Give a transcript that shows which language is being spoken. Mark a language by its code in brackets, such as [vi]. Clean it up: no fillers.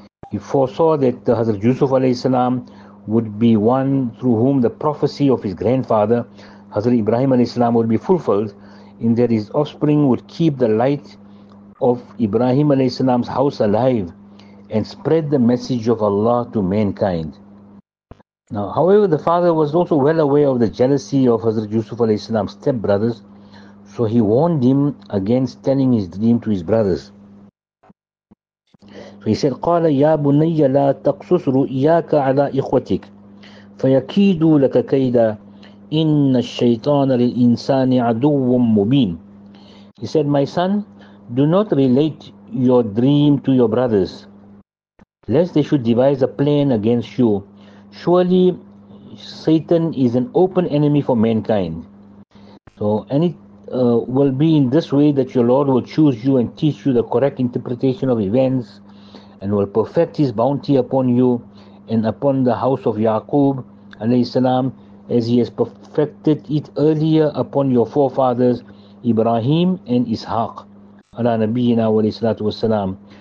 [en] He foresaw that Hazrat Yusuf alayhi salam would be one through whom the prophecy of his grandfather Hazrat Ibrahim alayhi salam would be fulfilled, in that his offspring would keep the light of Ibrahim alayhi salam's house alive and spread the message of Allah to mankind. Now, however, the father was also well aware of the jealousy of Hazrat Yusuf alayhi salam's stepbrothers, so he warned him against telling his dream to his brothers. So he said, [ar] قَالَ يَا بُنَيَّ لَا تَقْصُصْ رُؤْيَاكَ عَلَىٰ إِخْوَتِكَ فَيَكِيدُوا لَكَ كَيْدًا إِنَّ الشَّيْطَانَ لِلْإِنسَانِ عَدُوٌّ مُبِينٌ. [en] He said, my son, do not relate your dream to your brothers, lest they should devise a plan against you. Surely Satan is an open enemy for mankind. So, and it will be in this way that your Lord will choose you and teach you the correct interpretation of events, and will perfect his bounty upon you and upon the house of Yaqub alayhi salam, as he has perfected it earlier upon your forefathers Ibrahim and Ishaq ala nabiyyina wa salatu wa salam.